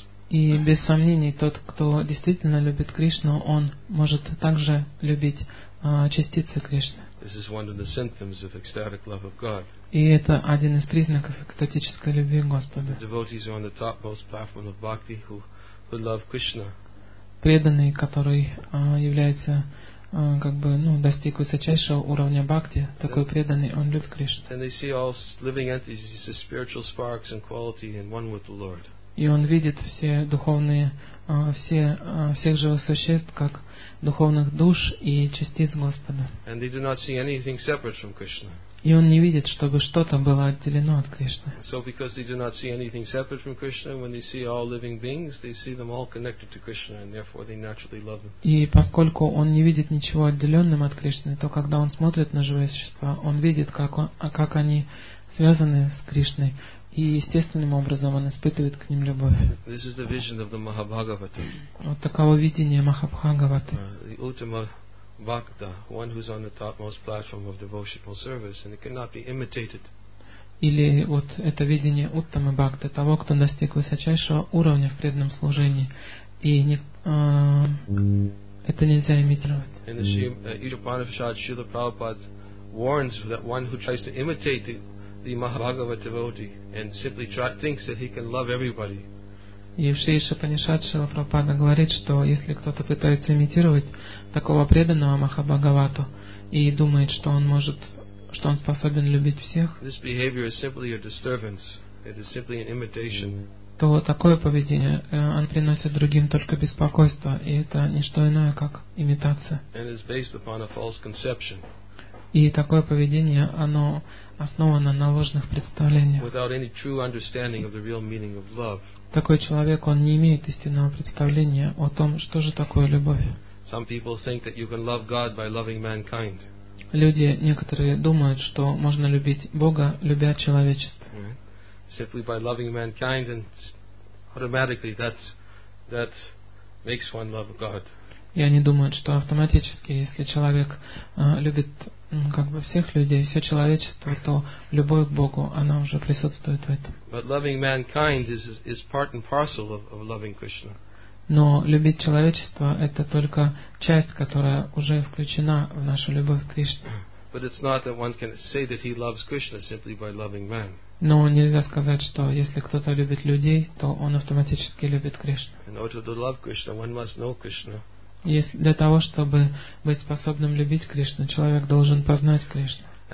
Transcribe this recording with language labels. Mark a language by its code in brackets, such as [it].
[ru] И без сомнений, тот, кто действительно любит Кришну, он может также любить частицы Кришны. [en] This is one of the symptoms of ecstatic love of God. [ru] И это один из признаков экстатической любви Господа. [en] The devotees are on the topmost platform of bhakti who love Krishna. [ru] Преданный, который является достиг высочайшего уровня бхакти, такой преданный, он любит Кришну. [en] And they see all living entities as spiritual sparks and quality in one with the Lord. [ru] И он видит все духовные, всех живых существ как духовных душ и частиц Господа. [en] And they do not see anything separate from Krishna. [ru] И он не видит, чтобы что-то было отделено от Кришны. [en] So because they do not see anything separate from Krishna, when they see all living beings, they see them all connected to Krishna, and therefore they naturally love them. [ru] И поскольку он не видит ничего отделенным от Кришны, то когда он смотрит на живые существа, он видит, как они связаны с Кришной. И естественным образом он испытывает к ним любовь. [en] This is the vision of the Mahabhagavata. [ru] Вот таково видение Махабхагаваты. [en] The ultimate bhakta, one who's on the topmost platform of devotional service, and it cannot be imitated. [ru] Или вот это видение уттамы бхакты, того, кто достиг высочайшего уровня в преданном служении, и это нельзя имитировать. [en] And the Ishvara Upanishad, Srila Prabhupada warns that one who tries to imitate the Mahabhagavata devotee and simply thinks that he can love everybody. [ru] И в Шрише Панишат Шрила Прабхупада говорит, что если кто-то пытается имитировать такого преданного Махабхагавату и думает, что он может, что он способен любить всех, [en] this behavior is simply a disturbance. It is simply an imitation. [ru] То такое поведение, он приносит другим только беспокойство, и это не что иное, как имитация. [en] And is based upon a false conception. [ru] И такое поведение, оно основано на ложных представлениях. [en] Without any true understanding of the real meaning of love. [ru] Такой человек, он не имеет истинного представления о том, что же такое любовь. Люди некоторые думают, что можно любить Бога, любя человечество. [en] Simply by loving mankind, and automatically that makes one love God. [ru] И они думают, что автоматически, если человек любит всех людей, все человечество, то любовь к Богу, она уже присутствует в этом. [en] But loving mankind is part and parcel of loving Krishna. [ru] Но любить человечество — это только часть, которая уже включена в нашу любовь к Кришне. [en] But it's not that one can say that he loves Krishna simply by loving man. [ru] Но нельзя сказать, что если кто-то любит людей, то он автоматически любит Кришну. [en] In order to love Krishna, one must know Krishna. [ru] Если для того, чтобы быть способным любить Кришну, человек должен познать Кришну.